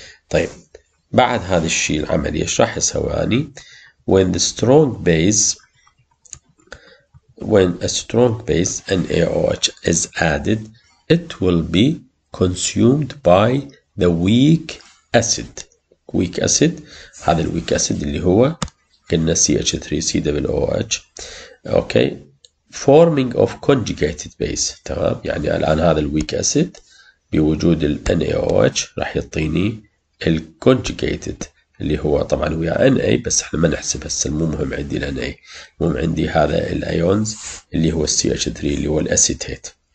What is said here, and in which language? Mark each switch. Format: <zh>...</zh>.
<ar>طيب بعد هذا الشيء العمليه ايش راح يسواني؟ وين ذا سترونج بيز</ar> <en>When a strong base NaOH is added, it will be consumed by the weak acid.</en> <ar>Weak acid, هذا ال weak acid اللي هو قلنا CH3COOH.</ar> <en>Okay, forming of conjugated base.</en> <ar>تمام، يعني الآن هذا ال weak acid بوجود ال NaOH راح يعطيني ال conjugated اللي هو طبعا ويا ان اي، بس احنا ما نحسب هسه، مو مهم عندي ال ان اي، المهم عندي هذا الايونز اللي هو السي اتش 3 اللي هو الاسيتيت.</ar>